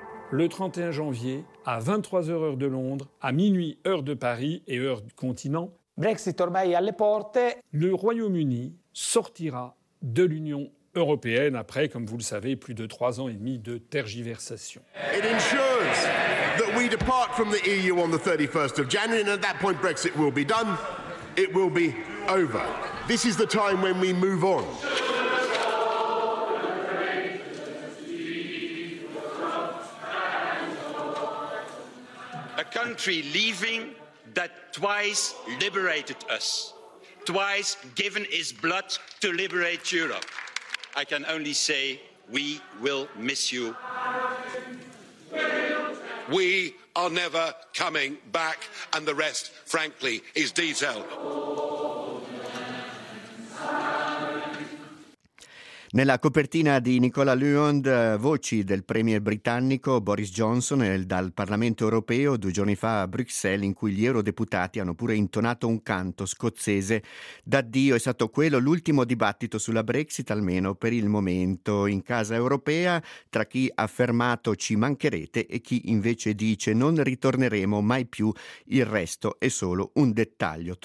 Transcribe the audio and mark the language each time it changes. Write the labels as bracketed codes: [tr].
[fr] Le 31 janvier, à 23h heure de Londres, à minuit heure de Paris et heure du continent, [it] Brexit ormai alle porte. [fr] Le Royaume-Uni sortira de l'Union européenne après, comme vous le savez, plus de 3 ans et demi de tergiversation. [en] It ensures that we depart from the EU on the 31st of January, and at that point Brexit will be done. It will be over. This is the time when we move on. A country leaving that twice liberated us, twice given its blood to liberate Europe. I can only say we will miss you. We are never coming back, and the rest, frankly, is detail. [it] Nella copertina di Nicola Lyond, voci del premier britannico Boris Johnson e dal Parlamento europeo 2 giorni fa a Bruxelles, in cui gli eurodeputati hanno pure intonato un canto scozzese d'addio. È stato quello l'ultimo dibattito sulla Brexit, almeno per il momento, in casa europea, tra chi ha affermato ci mancherete e chi invece dice non ritorneremo mai più, il resto è solo un dettaglio.